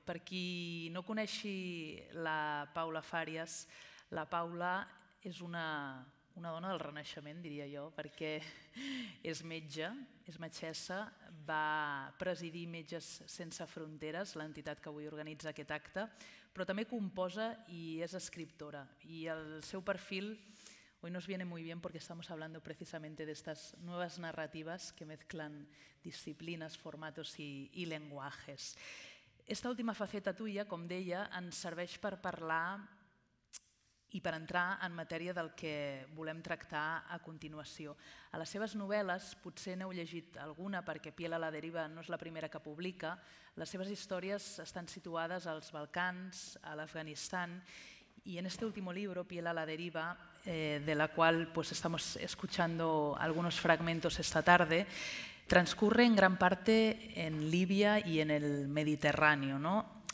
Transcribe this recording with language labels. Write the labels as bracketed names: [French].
[Catalan] Per qui no coneixi la Paula Fàries, la Paula és una dona del Renaixement, diria jo, perquè és metge, és metgessa, va presidir Metges Sense Fronteres, l'entitat que avui organitza aquest acte, però també composa i és escriptora. I el seu perfil, [Spanish] hoy nos viene muy bien porque estamos hablando precisamente de estas nuevas narrativas que mezclan disciplinas, formatos y lenguajes. Esta última faceta tuya, [Catalan] com deia, ens serveix per parlar i per entrar en matèria del que volem tractar a continuació. A les seves novel·les, potser n'heu llegit alguna, perquè Piel a la deriva no és la primera que publica, les seves històries estan situades als Balcans, a l'Afganistan, [Spanish] y en este último libro, Piel a la deriva, de la cual pues, estamos escuchando algunos fragmentos esta tarde, transcurre en gran parte en Líbia y en el Mediterráneo, ¿no?